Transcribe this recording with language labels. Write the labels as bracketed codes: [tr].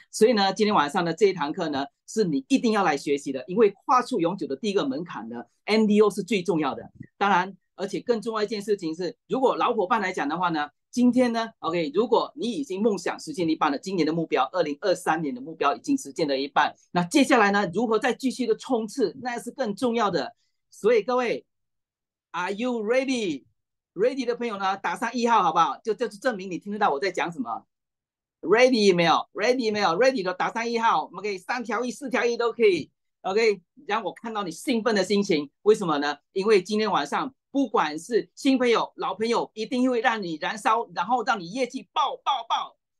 [zh] 所以呢，今天晚上的这一堂课呢是你一定要来学习的，因为跨出永久的第一个门槛呢 NDO 是最重要的。当然而且更重要一件事情是，如果老伙伴来讲的话呢，今天呢 ，OK， 如果你已经梦想实现一半了，今年的目标，2023年的目标已经实现了一半，那接下来呢，如何再继续的冲刺，那是更重要的。所以各位 [en] ，Are you ready？ [zh] Ready 的朋友呢，打上一号好不好？就证明你听得到我在讲什么。 Ready 没有 ？Ready 没有 ？Ready 的打上一号，我们可以三条一、四条一都可以。 OK， 让我看到你兴奋的心情，为什么呢？因为今天晚上，不管是新朋友老朋友一定会让你燃烧，然后让你业绩爆爆爆。